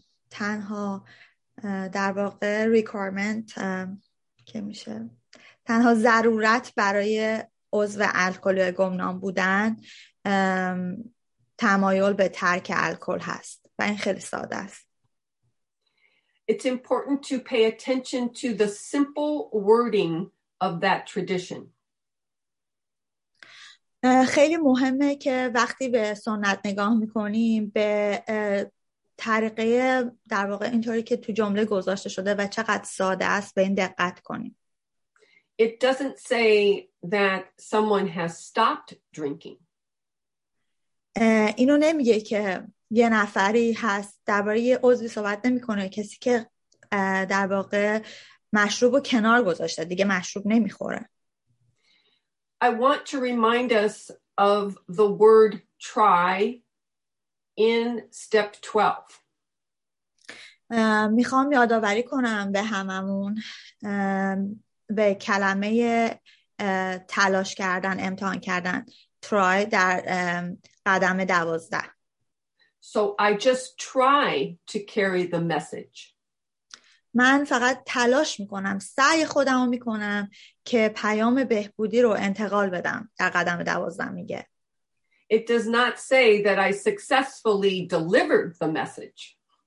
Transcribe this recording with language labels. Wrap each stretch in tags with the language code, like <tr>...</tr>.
<fa>تنها در واقع requirement که میشه، تنها ضرورت برای عضو الکلی گمنام بودن تمایل به ترک الکل هست و این خیلی ساده است.</fa> <en>It's important to pay attention to the simple wording of that tradition.</en> <fa>خیلی مهمه که وقتی به سنت نگاه میکنیم به طریقه در واقع اینطوری که تو جمله گذاشته شده و چقدر ساده است به این دقت کنیم.</fa> <en>It doesn't say that someone has stopped drinking.</en> <fa>اینو نمیگه که یه نفری هست، درباره یه عضوی صحبت نمیکنه، کسی که در واقع مشروب رو کنار گذاشته دیگه مشروب نمیخوره.</fa> <en>I want to remind us of the word try in step 12.</en> <fa>میخوام یادآوری کنم به هممون به کلمه تلاش کردن، امتحان کردن، try در قدم 12.</fa> <en>So I just try to carry the message.</en> <fa>من فقط تلاش میکنم، سعی خودمو میکنم که پیام بهبودی رو انتقال بدم در قدم 12 میگه.</fa> <en>It does not say that I successfully delivered the message.</en>